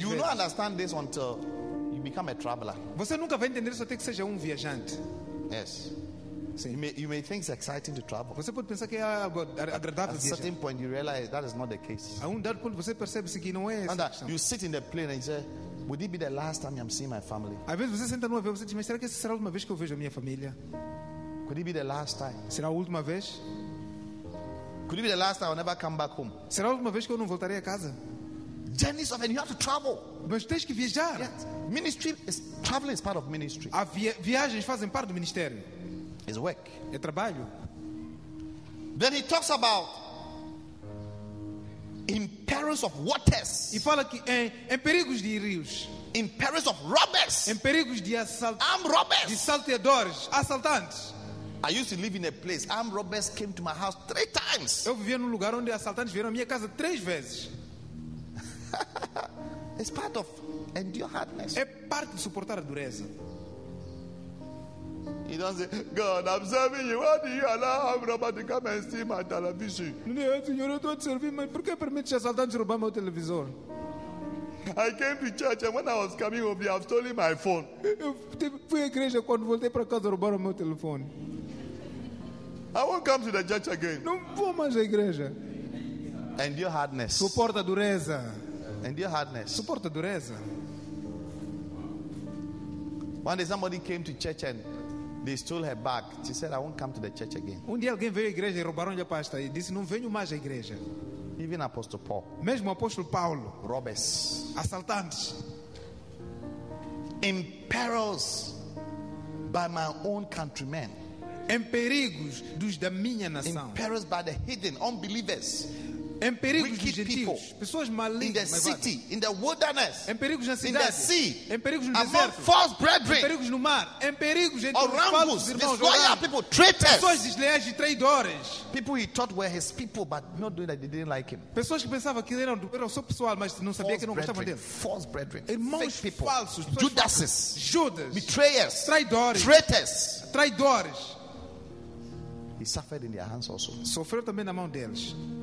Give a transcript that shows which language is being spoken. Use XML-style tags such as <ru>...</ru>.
<en>You understand this until you become a traveler.</en> <pt>Você nunca vai entender isso até que seja viajante.</pt> <en>Yes. You may think it's exciting to travel.</en> <pt>Você pode pensar que é agradável.</pt> <en>At a certain point, you realize that is not the case.</en> <pt>A dado ponto, você percebe que não é.</pt> <en>You sit in the plane and you say, "Would it be the last time I'm seeing my family?"</en> <pt>Às vezes você senta no avião e você diz, "Mas será que essa será a última vez que eu vejo a minha família?"</pt> <en>Could it be the last time?</en> <pt>Será a última vez?</pt> <en>Could it be the last time I'll never come back home?</en> <pt>Será a última vez que eu não voltarei a casa?</pt> <en>Journeys of, and you have to travel.</en> <pt>Mas tens que viajar.</pt> <en>Yes. Ministry is traveling is part of ministry.</en> <pt>A viagens fazem parte do ministério.</pt> <en>It's work.</en> <pt>É trabalho.</pt> <en>Then he talks about in perils of waters.</en> <pt>E fala que em perigos de rios.</pt> <en>In perils of robbers.</en> <pt>Em perigos de assaltantes.</pt> <en>Armed robbers.</en> <pt>De salteadores, assaltantes.</pt> <en>I used to live in a place. Armed robbers came to my house 3 times.</en> <pt>Eu vivia num lugar onde assaltantes vieram à minha casa 3 vezes.</pt> <en>It's part of endure hardness.</en> <pt>É parte de suportar a dureza.</pt> <en>He doesn't say, "God, I'm serving you. Why do you allow armed robbers to come and steal my television?"</en> <pt>Não, Senhor, eu estou te servindo, mas por que permite assaltantes roubar meu televisor?</pt> <en>I came to church, and when I was coming home, they have stolen my phone.</en> <pt>Eu fui à igreja quando voltei para casa roubaram meu telefone.</pt> <en>I won't come to the church again.</en> <pt>Não vou mais à igreja.</pt> <en>Endure hardness.</en> <pt>Suporta dureza.</pt> <en>Endure hardness.</en> <pt>Suporta dureza.</pt> <en>One day somebody came to church and they stole her bag. She said, "I won't come to the church again."</en> <pt>Um dia alguém veio à igreja e roubaram-lhe a pasta e disse, "Não venho mais à igreja."</pt> <en>Even Apostle Paul.</en> <pt>Mesmo o apóstolo Paulo.</pt> <en>Robbers.</en> <pt>Assaltantes.</pt> <en>In perils by my own countrymen.</en> <pt>Em perigos dos da minha nação.</pt> <en>In perils by the hidden unbelievers.</en> <pt>Em perigos dos gentios. Pessoas malignas.</pt> <en>In the city, in the wilderness.</en> <pt>Em perigos na cidade.</pt> <en>In the sea.</en> <pt>Em perigos no</pt> <en>among</en> <pt>deserto.</pt> <en>False brethren.</en> <pt>Em perigos no mar. Em perigos entre falsos irmãos.</pt> <en>Disloyal people, traitors.</en> <pt>Pessoas desleais e traidores.</pt> <en>People he thought were his people, but not doing that they didn't like him.</en> <pt>Pessoas que pensava que eram do seu pessoal, mas não sabia que não gostavam dele.</pt> <en>False brethren.</en> <pt>Irmãos falsos.</pt> <en>Judases.</en> <pt>Judas.</pt> <en>Betrayers.</en> <pt>Traidores.</pt> <en>Traitors.</en> <pt>Traidores.</pt> <en>He suffered in their hands also.</en> <pt>Sofreu também na mão deles.</pt>